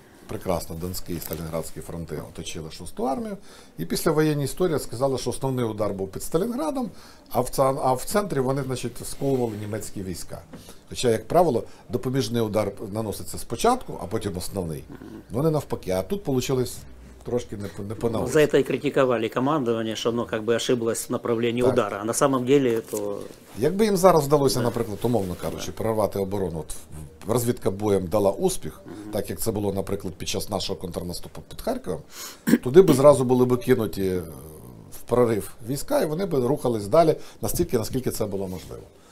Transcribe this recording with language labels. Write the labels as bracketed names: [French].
[Ukrainian] Прекрасно, Донський і Сталінградський фронти оточили 6-ту армію. І після воєнної історії сказали, що основний удар був під Сталінградом, а в центрі вони, значить, сковували німецькі війська. Хоча, як правило, допоміжний удар наноситься спочатку, а потім основний. Вони навпаки. А тут вийшло... Трошки не понадобилось. [Russian] За это и критиковали командование, что оно как бы ошиблось в направлении так. Удара. А на самом деле то... [Ukrainian] Якби им зараз вдалося, наприклад, умовно кажучи, прорвати оборону, от разведка боем дала успех, так як це було, наприклад, під час нашого контрнаступу під Харковом, туди би зразу були б кинуті в прорив війська, і вони би рухались далі настільки, наскільки це було можливо.